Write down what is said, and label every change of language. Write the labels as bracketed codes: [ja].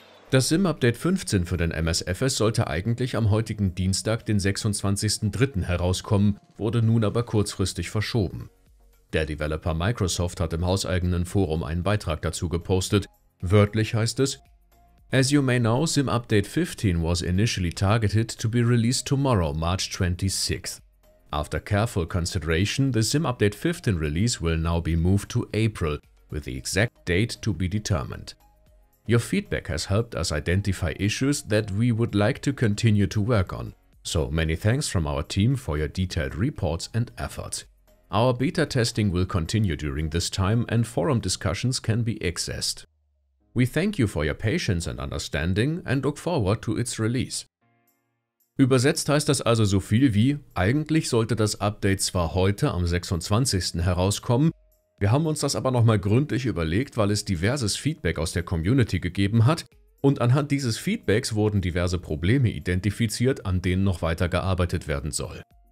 [de] Das Sim-Update 15 für den MSFS sollte eigentlich am heutigen Dienstag, den 26.03. herauskommen, wurde nun aber kurzfristig verschoben. Der Developer Microsoft hat im hauseigenen Forum einen Beitrag dazu gepostet. Wörtlich heißt es: [en] As you may know, Sim-Update 15 was initially targeted to be released tomorrow, March 26th. After careful consideration, the Sim-Update 15 release will now be moved to April, with the exact date to be determined. Your feedback has helped us identify issues that we would like to continue to work on. So many thanks from our team for your detailed reports and efforts. Our beta testing will continue during this time and forum discussions can be accessed. We thank you for your patience and understanding and look forward to its release. [de] Übersetzt heißt das also so viel wie: Eigentlich sollte das Update zwar heute am 26. herauskommen, wir haben uns das aber nochmal gründlich überlegt, weil es diverses Feedback aus der Community gegeben hat und anhand dieses Feedbacks wurden diverse Probleme identifiziert, an denen noch weiter gearbeitet werden soll.